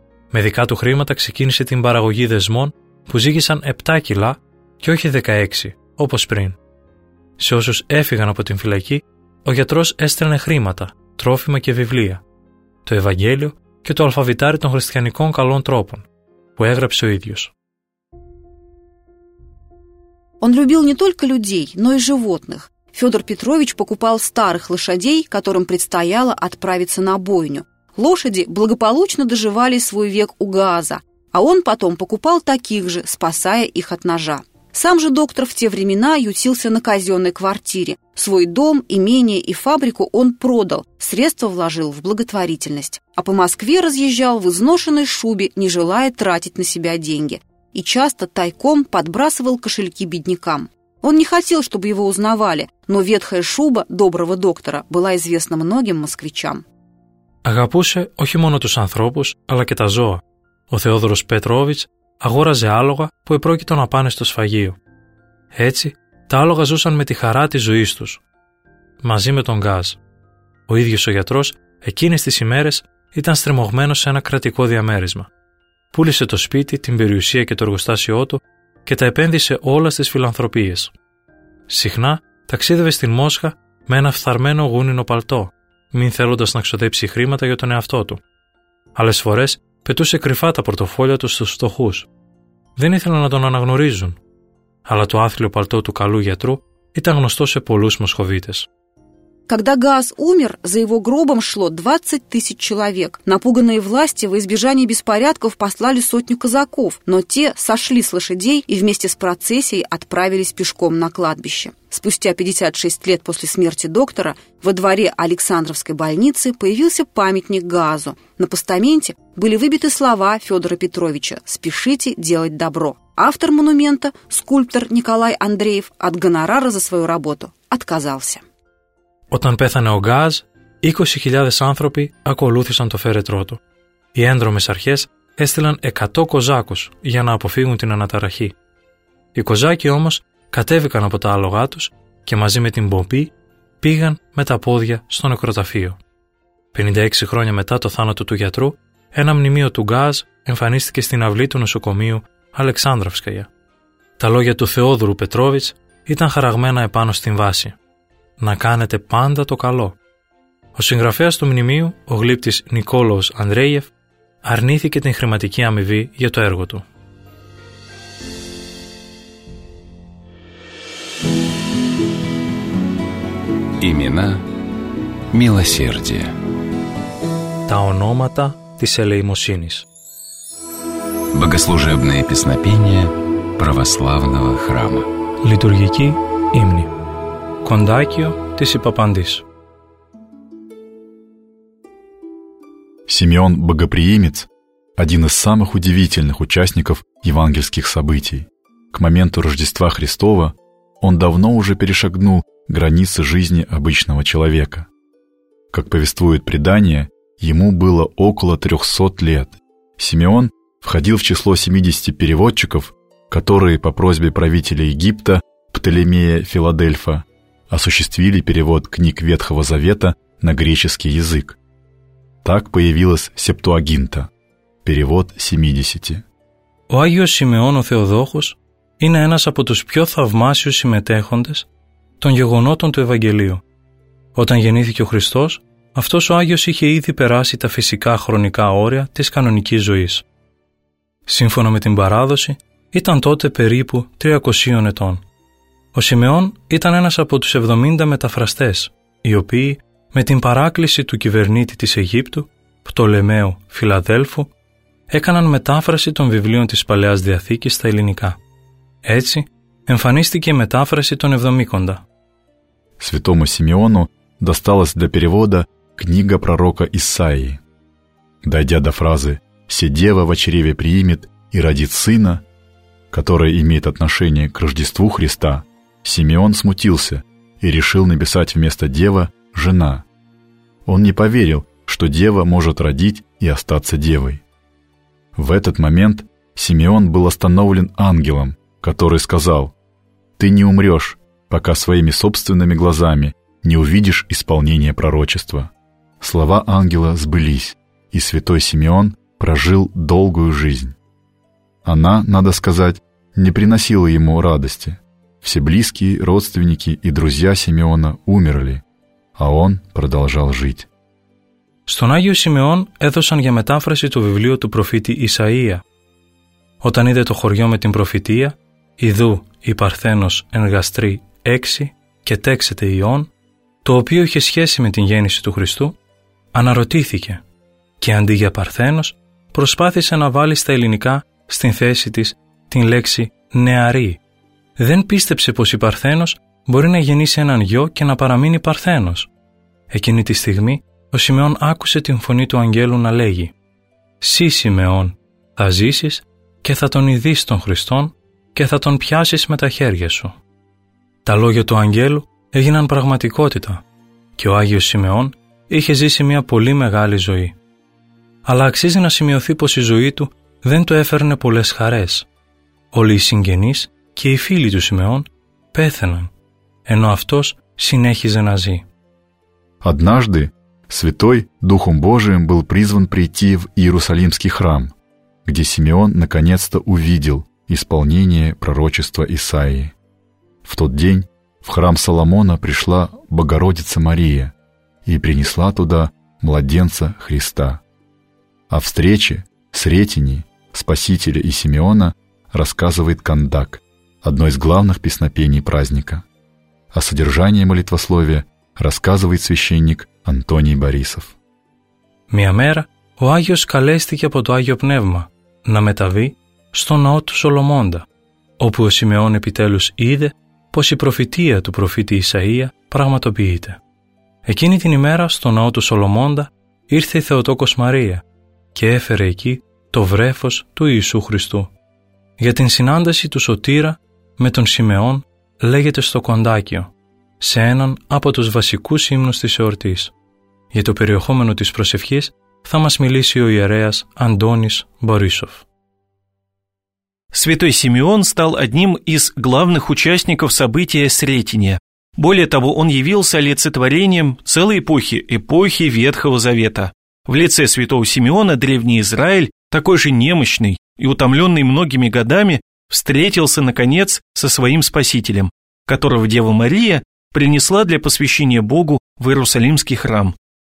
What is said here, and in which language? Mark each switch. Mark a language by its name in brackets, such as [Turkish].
[Greek] Με δικά του χρήματα ξεκίνησε την παραγωγή δεσμών που ζύγησαν 7 κιλά και όχι 16, όπως πριν. Σε όσους έφυγαν από την φυλακή, ο γιατρός έστελνε χρήματα, τρόφιμα και βιβλία, το Ευαγγέλιο και το αλφαβητάρι των χριστιανικών καλών τρόπων, που έγραψε ο ίδιος. [Russian] Он любил не только людей, но и животных. Федор Петрович покупал старых лошадей, которым предстояло отправиться на бойню. Лошади благополучно доживали свой век у ГААЗа, а он потом покупал таких же, спасая их от ножа. Сам же доктор в те времена ютился на казенной квартире. Свой дом, имение и фабрику он продал, средства вложил в благотворительность. А по Москве разъезжал в изношенной шубе, не желая тратить на себя деньги. И часто тайком подбрасывал кошельки беднякам. Он не хотел, чтобы его узнавали, но ветхая шуба доброго доктора была известна многим москвичам. [Greek] Αγαπούσε όχι μόνο τους ανθρώπους, αλλά και τα ζώα. Ο Θεόδωρος Πετρόβιτς αγόραζε άλογα που επρόκειτο να πάνε στο σφαγείο. Έτσι, τα άλογα ζούσαν με τη χαρά της ζωής τους, μαζί με τον ΓΑΖ. Ο ίδιος ο γιατρός εκείνες τις ημέρες ήταν στριμωγμένος σε ένα κρατικό διαμέρισμα. Πούλησε το σπίτι, την περιουσία και το εργοστάσιό του και τα επένδυσε όλα στις φιλανθρωπίες. Συχνά ταξίδευε στην Μόσχα με ένα φθαρμένο γούνινο παλτό, μην θέλοντας να ξοδέψει χρήματα για τον εαυτό του. Άλλες φορές πετούσε κρυφά τα πορτοφόλια του στους φτωχούς. Δεν ήθελαν να τον αναγνωρίζουν. Αλλά το άθλιο παλτό του καλού γιατρού ήταν γνωστό σε πολλούς Μοσχοβίτες. [Russian] Когда Гаас умер, за его гробом шло 20 тысяч человек. Напуганные власти во избежание беспорядков послали сотню казаков, но те сошли с лошадей и вместе с процессией отправились пешком на кладбище. Спустя 56 лет после смерти доктора во дворе Александровской больницы появился памятник Гаасу. На постаменте были выбиты слова Федора Петровича «Спешите делать добро». Автор монумента, скульптор Николай Андреев, от гонорара за свою работу отказался. [Greek] Όταν πέθανε ο Γκάζ, 20.000 άνθρωποι ακολούθησαν το φέρετρό του. Οι ένδρομες αρχές έστειλαν 100 κοζάκους για να αποφύγουν την αναταραχή. Οι κοζάκοι όμως κατέβηκαν από τα άλογά τους και μαζί με την πομπή πήγαν με τα πόδια στο νεκροταφείο. 56 χρόνια μετά το θάνατο του γιατρού, ένα μνημείο του Γκάζ εμφανίστηκε στην αυλή του νοσοκομείου Αλεξάνδραυσκαια. Τα λόγια του Θεόδωρου Πετρόβιτς ήταν χαραγμένα επάνω στην βάση. Να κάνετε πάντα το καλό. Ο συγγραφέας του μνημείου, ο γλύπτης Νικόλαος Ανδρέιεφ, αρνήθηκε την χρηματική αμοιβή για το έργο του. [Russian] Имена милосердия. [Greek] Τα ονόματα της ελεημοσύνης. [Russian] Богослужебные песнопения православного храма. [Greek] Λειτουργική ύμνη. Κοντάκιο της Υπαπαντής. [Russian] Симеон Богоприимец – один из самых удивительных участников евангельских событий. К моменту Рождества Христова он давно уже перешагнул границы жизни обычного человека. Как повествует предание, ему было около 300 лет. Симеон входил в число 70 переводчиков, которые по просьбе правителя Египта Птолемея Филадельфа осуществили перевод книг Ветхого Завета на греческий язык. Так появилась Септуагинта, перевод 70. [Greek] Ο Άγιος Σιμεών ο Θεοδόχος είναι ένας από τους πιο θαυμάσιους συμμετέχοντες των γεγονότων του Ευαγγελίου. Όταν γεννήθηκε ο Χριστός, αυτός ο Άγιος είχε ήδη περάσει τα φυσικά χρονικά όρια της κανονικής ζωής. Σύμφωνα με την παράδοση, ήταν τότε περίπου 300 ετών. Ο Σιμεών ήταν ένας από τους 70 μεταφραστές, οι οποίοι με την παράκληση του κυβερνήτη της Αιγύπτου, Πτολεμαίου Φιλαδέλφου, έκαναν μετάφραση των βιβλίων της Παλαιάς Διαθήκης στα ελληνικά. Έτσι, εμφανίστηκε η μετάφραση των Εβδομήκοντα. [Russian] Святому Симеону досталась для перевода книга пророка Исаии. Дойдя до фразы «Се дева в чреве примет и родит сына», которая имеет отношение к Рождеству Христа, Симеон смутился и решил написать вместо «дева» «жена». Он не поверил, что дева может родить и остаться девой. В этот момент Симеон был остановлен ангелом, который сказал: «Ты не умрешь, пока своими собственными глазами не увидишь исполнение пророчества». Слова ангела сбылись, и святой Симеон прожил долгую жизнь. Она, надо сказать, не приносила ему радости. Все близкие, родственники и друзья Симеона умерли, а он продолжал жить. [Greek] Στον Άγιο Σιμεών έδωσαν για μετάφραση το βιβλίο του προφήτη Ισαΐα. Όταν είδε το χωριό με την προφητεία, «Ιδού η Παρθένος εν γαστρή έξι και τέξεται ιών», το οποίο είχε σχέση με την γέννηση του Χριστού, αναρωτήθηκε και αντί για Παρθένος, προσπάθησε να βάλει στα ελληνικά στην θέση της την λέξη «νεαρή». Δεν πίστεψε πως η Παρθένος μπορεί να γεννήσει έναν γιο και να παραμείνει Παρθένος. Εκείνη τη στιγμή ο Σιμεών άκουσε την φωνή του Αγγέλου να λέγει «Σύ Σιμεών, θα ζήσεις και θα τον ειδείς τον Χριστόν και θα τον πιάσεις με τα χέρια σου». Τα λόγια του Αγγέλου έγιναν πραγματικότητα και ο Άγιος Σιμεών είχε ζήσει μια πολύ μεγάλη ζωή. Αλλά αξίζει να σημειωθεί πως η ζωή του δεν του έφερνε πολλές χαρές. Όλοι οι συγγενείς και οι φίλοι του Σιμεών πέθαιναν, ενώ αυτός συνέχιζε να ζει. [Russian] Однажды, Святой Духом Божиим был призван прийти в Иерусалимский храм, где Симеон наконец-то увидел исполнение пророчества Исаии. В тот день в храм Соломона пришла Богородица Мария и принесла туда младенца Христа. О встрече, сретении Спасителя и Симеона рассказывает Кандак, одно из главных песнопений праздника. О содержании молитвословия рассказывает священник Антоний Борисов. [Greek] «Мя мера ο Άγιος καλέστηκε από το Άγιο Πνεύμα να μεταβεί στο ναό του Σολομώντα, όπου ο Σιμεών επιτέλους είδε πως η προφητεία του προφήτη Ισαΐα πραγματοποιείται. Εκείνη την ημέρα στο ναό του Σολομώντα ήρθε η Θεοτόκος Μαρία και έφερε εκεί το βρέφος του Ιησού Χριστού. Για την συνάντηση του Σωτήρα με τον Σιμεών λέγεται στο Κοντάκιο, σε έναν από τους βασικούς ύμνους της εορτής. Για το περιεχόμενο της προσευχής θα μας μιλήσει ο ιερέας Αντώνης Μπορίσοφ». [Russian] Святой Симеон стал одним из главных участников события Сретения. Более того, он явился олицетворением целой эпохи, эпохи Ветхого Завета. В лице святого Симеона древний Израиль, такой же немощный и утомленный многими годами, встретился, наконец, со своим Спасителем, которого Дева Мария принесла для посвящения Богу в Иерусалимский храм.